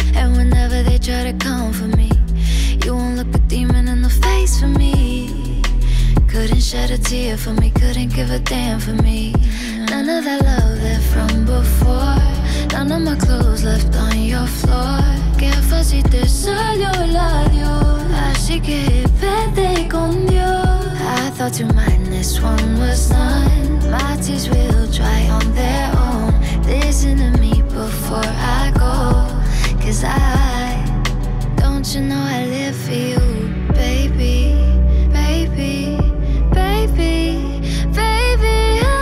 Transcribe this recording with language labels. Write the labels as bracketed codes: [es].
[en] And whenever they try to come for me, you won't look a demon in the face for me. Couldn't shed a tear for me, couldn't give a damn for me. None of that love left from before, none of my clothes left on your floor. [es] Qué fácil te salió el adiós, así que vete con Dios. [en] I thought you might, this one was done. My tears will dry on their own. Listen to me before I go, 'cause I, don't you know I live for you, baby, baby, baby, baby.